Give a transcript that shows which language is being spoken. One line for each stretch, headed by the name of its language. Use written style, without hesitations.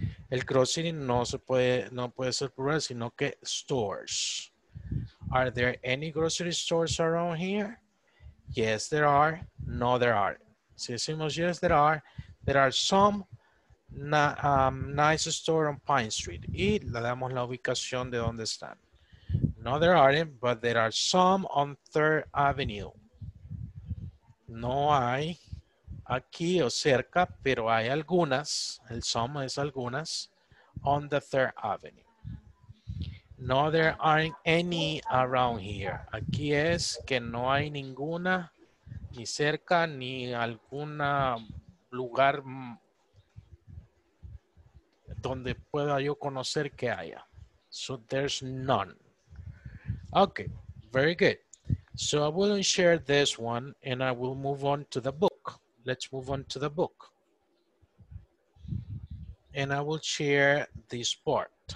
Spanish: El grocery no se puede, no puede ser plural, sino que stores.
English: Are there any grocery stores around here? Yes, there are. No, there are.
Spanish: Si decimos
English: yes, there are some nice store on Pine Street.
Spanish: Y le damos la ubicación de donde están.
English: No, there aren't, but there are some on Third Avenue.
Spanish: No hay aquí o cerca, pero hay algunas. El some es algunas
English: on the Third Avenue. No, there aren't any around here.
Spanish: Aquí es que no hay ninguna ni cerca ni algún lugar donde pueda yo conocer que haya.
English: So there's none. Okay, very good. So I will share this one and I will move on to the book. Let's move on to the book. And I will share this part.